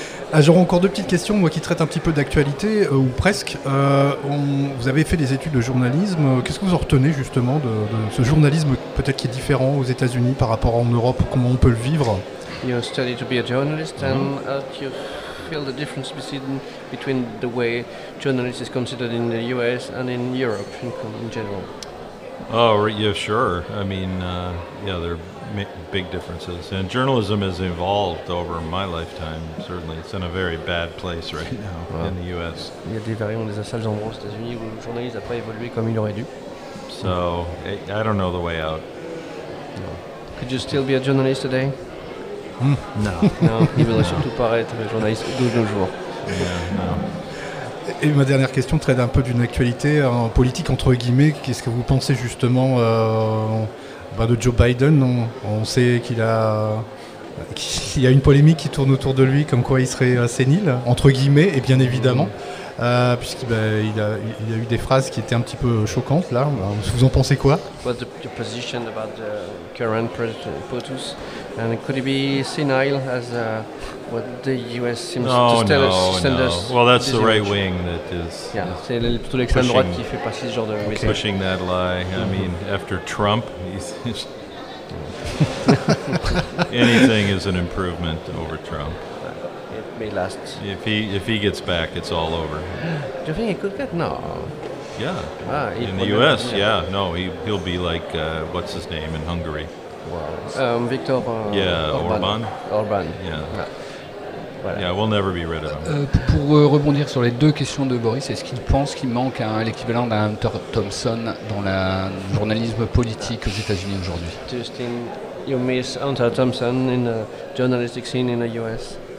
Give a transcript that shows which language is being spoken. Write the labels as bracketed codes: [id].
[fr] Ah, j'aurai encore deux petites questions, moi qui traite un petit peu d'actualité, ou presque. Vous avez fait des études de journalisme. Qu'est-ce que vous en retenez justement de ce journalisme, peut-être qui est différent aux États-Unis par rapport à en Europe, comment on peut le vivre? [en] You study to be a journalist, and you feel the difference between the way journalism is considered in the US and in Europe in general. Oh, yeah, sure. I mean, yeah, there are big differences. And journalism has evolved over my lifetime, certainly. It's in a very bad place right now in the U.S. [fr] Il y a des variantes, des sales endroits aux États-Unis où le journalisme n'a pas évolué comme il aurait dû. [en] So, I don't know the way out. No. Could you still be a journalist today? No. [fr] No, il ne voudrait surtout pas être journaliste de nos jours. [en] Yeah, no. [fr] Et ma dernière question traite un peu d'une actualité politique, entre guillemets. Qu'est-ce que vous pensez justement de Joe Biden? On sait qu'il y a une polémique qui tourne autour de lui, comme quoi il serait sénile, entre guillemets, et bien évidemment, puisqu'il a eu des phrases qui étaient un petit peu choquantes, là. Vous en pensez quoi? [en] The position about the current president, POTUS, and could he be senile as a... What the U.S. seems to send us. Well, that's the right wing that is. [fr] Yeah, c'est plutôt l'extrême droite qui fait passer ce genre de message. [en] Pushing that lie. Mm-hmm. I mean, after Trump, anything is an improvement over Trump. It may last. If he gets back, it's all over. Do you think he could get? No. Yeah. In the U.S., he'll be like, what's his name in Hungary? Wow. Viktor Orban. Orban. Yeah. Voilà. Yeah, we'll never be rid of him. [fr] Pour rebondir sur les deux questions de Boris, est-ce qu'il pense qu'il manque l'équivalent d'un Hunter Thompson dans le journalisme politique aux États-Unis aujourd'hui? [en] Do you think you miss Hunter Thompson in the journalistic scene in the US?